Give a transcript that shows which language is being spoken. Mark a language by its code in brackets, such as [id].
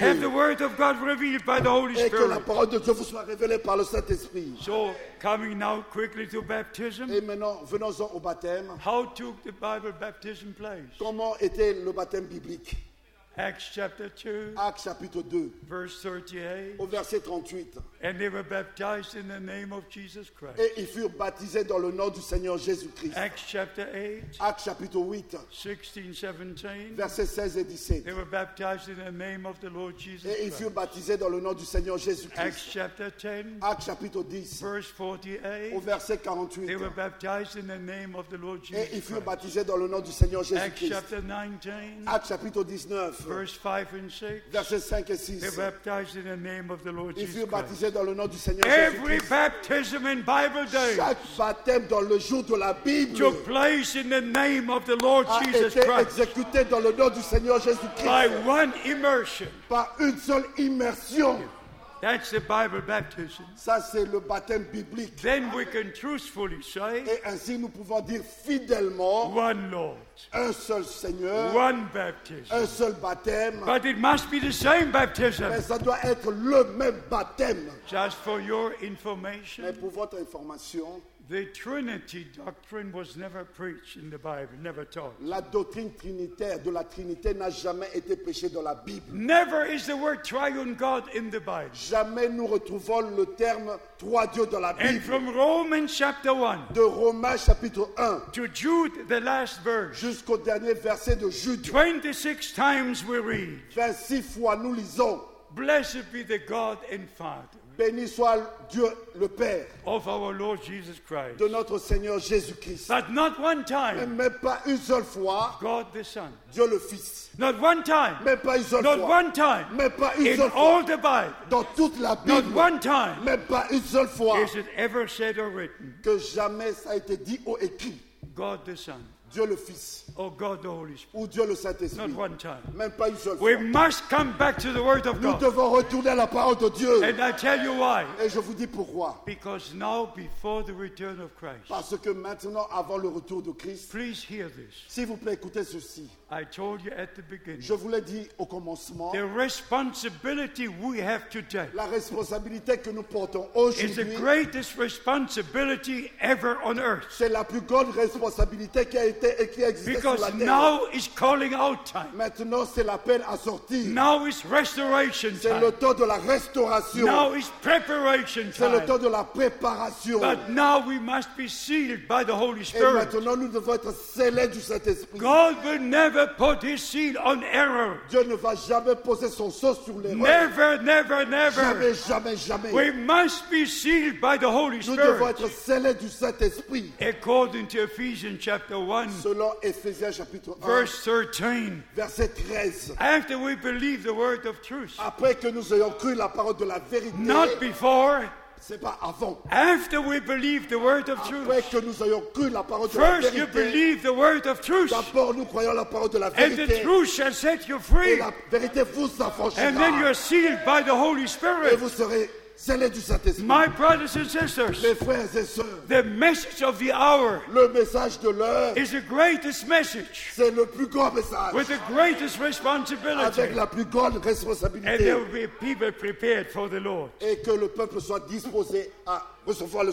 [en] Have the word of God revealed by the Holy Spirit. [fr] Et que la parole de Dieu vous soit révélée par le Saint-Esprit. [en] So, coming now quickly to baptism. [fr] Et maintenant, venons-en au baptême. [en] How took the Bible baptism place? [fr] Comment était le baptême biblique? [en] Acts chapter 2. [fr] Acts chapitre 2. [en] Verse 38. [fr] Au verset 38. [en] And they were baptized in the name of Jesus Christ. [fr] Et ils furent baptisés dans le nom du Seigneur Jésus-Christ. [en] Acts chapter 8. [fr] Acts chapitre 8. [en] 16-17. [fr] Verset 16 et 17. [en] They were baptized in the name of the Lord Jesus Christ. [fr] Et ils furent baptisés dans le nom du Seigneur Jésus-Christ. [en] Acts chapter 10. [fr] Acts chapitre 10. [en] Verse 48. [fr] Au verset 48. [en] They were baptized in the name of the Lord Jesus Christ. [fr] Et ils furent baptisés dans le nom du Seigneur Jésus-Christ. [en] Acts chapter 19. [fr] Acts chapitre 19. [en] Verse 5 and 6. [fr] Verset 5 et 6. [en] They were baptized in the name of the Lord Jesus Christ. [fr] Ils furent baptisés dans le nom du Seigneur Jésus-Christ. [en] Every baptism in Bible day. [fr] Chaque baptême dans le jour de la Bible. [en] Took place in the name of the Lord Jesus Christ. [fr] A été exécuté dans le nom du Seigneur Jésus-Christ. [en] By one immersion. [fr] Par une seule immersion. [en] That's the Bible baptism. [fr] Ça c'est le baptême biblique. [en] Then we can truthfully say. [fr] Et ainsi nous pouvons dire fidèlement. [en] One Lord. [fr] Un seul Seigneur. [en] One baptism. [fr] Un seul baptême. [en] But it must be the same baptism. [fr] Mais ça doit être le même baptême. [en] Just for your information. [fr] Mais pour votre information. [en] The Trinity doctrine was never preached in the Bible, never taught. [fr] La doctrine trinitaire de la Trinité n'a jamais été prêchée dans la Bible. [en] Never is the word triune God in the Bible. [fr] Jamais nous retrouvons le terme trois dieux dans la Bible. [en] And from Romans chapter 1. [fr] De Romains chapitre 1. [en] To Jude the last verse. [fr] Jusqu'au dernier verset de Jude. [en] 26 times we read. [fr] 26 fois nous lisons. [en] Blessed be the God and Father. [fr] Béni soit Dieu le Père [en] of our Lord Jesus Christ. [fr] De notre Seigneur Jésus-Christ. [en] But not one time. [fr] Mais pas une seule fois. [en] God the Son. [fr] Dieu le Fils. [en] Not one time. [fr] Mais pas une seule [en] not [fr] fois. [en] Not one time. [fr] Mais pas une [en] in [fr] seule [en] all [fr] fois. [en] The Bible. [fr] Dans toute la Bible. [en] Not one time. [fr] Mais pas une seule fois. [en] Is it ever said or written? [fr] Que jamais ça a été dit ou écrit. [en] God the Son. [fr] Dieu le Fils. [en] Oh God the Holy Spirit. [fr] Ou Dieu le Saint-Esprit. [en] Not one time. [fr] Même pas une seule [en] we [fr] fois. [en] Must come back to the word of [fr] nous [en] God. [fr] Devons retourner à la parole de Dieu. [en] And I tell you why. [fr] Et je vous dis pourquoi. [en] Because now before the return of Christ. [fr] Parce que maintenant avant le retour de Christ. [en] Please hear this. [fr] S'il vous plaît, écoutez ceci. [en] I told you at the beginning. [fr] Je vous l'ai dit au commencement. [en] The responsibility we have today. [fr] La responsabilité que nous portons aujourd'hui. [en] Is the greatest responsibility ever on earth. [fr] C'est la plus grande responsabilité qui a été et qui existe. [en] Because now is calling out time. [fr] Maintenant c'est l'appel à sortir. [en] Now is restoration time. [fr] C'est le temps de la restauration. [en] Now is preparation time. [fr] C'est le temps de la préparation. [en] But now we must be sealed by the Holy Spirit. [fr] Et maintenant nous devons être scellés du Saint-Esprit. [en] God will never put his seal on error. [fr] Dieu ne va jamais poser son sceau sur l'erreur. [en] Never, never, never. [fr] Jamais, jamais, jamais. [en] We must be sealed by the Holy Spirit. [fr] Nous devons être scellés du Saint-Esprit. [en] According to Ephesians chapter 1. [fr] Selon Ephésiens chapitre 1. [en] Verse 13. [fr] Verset 13. [en] After we believe the word of truth. [fr] Après que nous ayons cru la parole de la vérité. [en] Not before. [fr] C'est pas avant. [en] After we believe the word of truth. [fr] Après que nous ayons cru la parole [en] first [fr] de la vérité. [en] First you believe the word of truth. [fr] D'abord nous croyons la parole de la vérité. [en] And the truth shall set you free. [fr] Et la vérité vous affranchira. [en] And then you are sealed by the Holy Spirit. [fr] Et vous serez scellés du Saint-Esprit. [en] My brothers and sisters. [fr] Mes frères et sœurs. [en] The message of the hour. [fr] Le message de l'heure. [en] Is the greatest message. [fr] C'est le plus grand message. [en] With the greatest responsibility. [fr] Avec la plus grande responsabilité. [en] And there will be people prepared for the Lord. [fr] Et que le peuple soit disposé à recevoir le